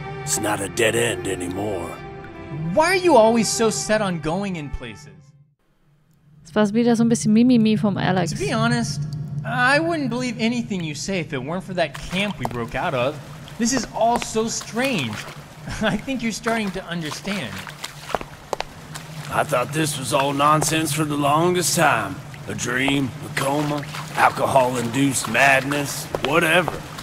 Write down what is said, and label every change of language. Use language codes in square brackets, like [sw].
[en] It's not a dead end anymore. Why are you always so set on going in places? [de] Es war wieder so ein bisschen Mimimi vom Alex. [en] To be honest, I wouldn't believe anything you say if it weren't for that camp we broke out of. This is all so strange. I think you're starting to understand. I thought this was all nonsense for the longest time. A dream, a coma, alcohol-induced madness, whatever.